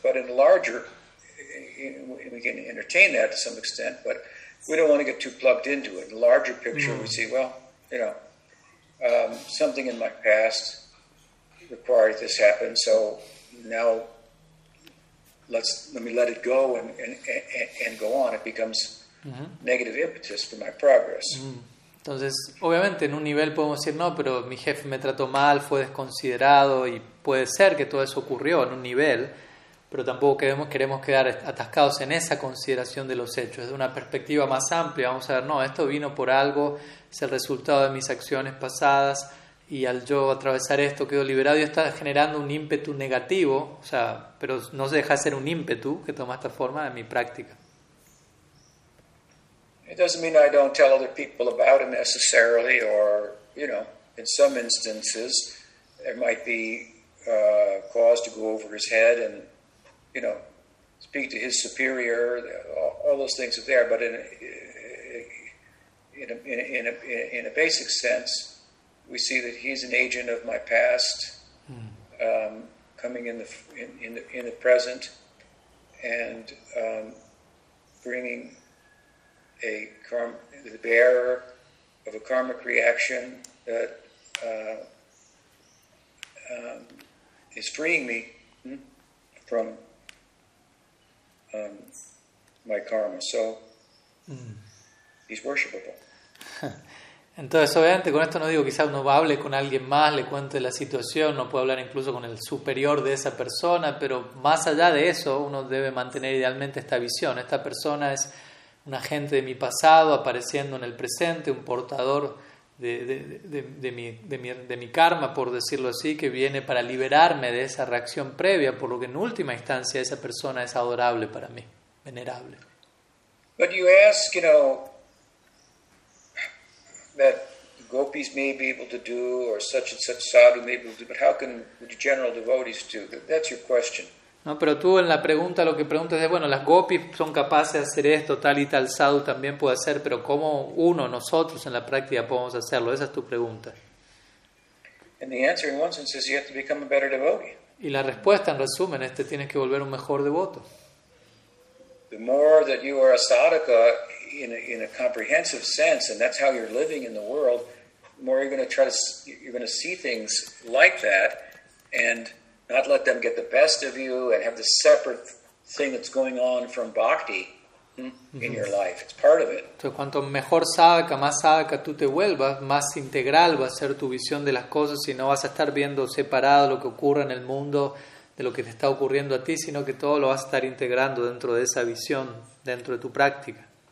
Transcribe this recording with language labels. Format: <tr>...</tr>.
<en>But in larger, we can entertain that to some extent, but we don't want to get too plugged into it. In the larger picture, we see, well, you know, something in my past required this happen, so now let me let it go and go on. It becomes negative impetus for my progress.</en> <es>Entonces, obviamente, en un nivel podemos decir, no, pero mi jefe me trató mal, fue desconsiderado, y puede ser que todo eso ocurrió en un nivel, pero tampoco queremos quedar atascados en esa consideración de los hechos. Desde una perspectiva más amplia, vamos a ver, no, esto vino por algo, es el resultado de mis acciones pasadas, y al yo atravesar esto quedo liberado, y está generando un ímpetu negativo, o sea, pero no se deja ser un ímpetu que toma esta forma en mi práctica.</es> <en>It doesn't mean I don't tell other people about it necessarily, or, you know, in some instances there might be cause to go over his head and, you know, speak to his superior, all those things are there, but in a basic sense we see that he's an agent of my past coming in the present and bringing a karma, the bearer of a karmic reaction that is freeing me from my karma. So he's worshipable.</en> <es>Entonces, obviamente, con esto no digo, quizás uno hable con alguien más, le cuente la situación, uno puede hablar incluso con el superior de esa persona, pero más allá de eso, uno debe mantener idealmente esta visión. Esta persona es un agente de mi pasado apareciendo en el presente, un portador de mi karma, por decirlo así, que viene para liberarme de esa reacción previa, por lo que en última instancia esa persona es adorable para mí, venerable.</es> <en>But you ask, you know, that gopis may be able to do, or such and such sadhu may be able to do, but how can the general devotees do? That's your question.</en> <es>No, pero tú en la pregunta lo que preguntas es, bueno, las gopis son capaces de hacer esto, tal y tal sadhu también puede hacer, pero ¿cómo uno, nosotros en la práctica podemos hacerlo? Esa es tu pregunta.</es> <en>And the answer in one sense is you have to become a better devotee.</en> <es>Y la respuesta en resumen es que tienes que volver un mejor devoto.</es> <en>The more that you are a sadhaka in a comprehensive sense, and that's how you're living in the world, the more you're going to see things like that and not let them get the best of you and have the separate thing that's going on from bhakti in your life. It's part of it.</en> <es>Entonces, cuanto mejor sadhaka, más sadhaka tú te vuelvas, más integral va a ser tu visión de las cosas y no vas a estar viendo separado lo que ocurre en el mundo de lo que te está ocurriendo a ti, sino que todo lo vas a estar integrando dentro de esa visión, dentro de tu práctica.</es>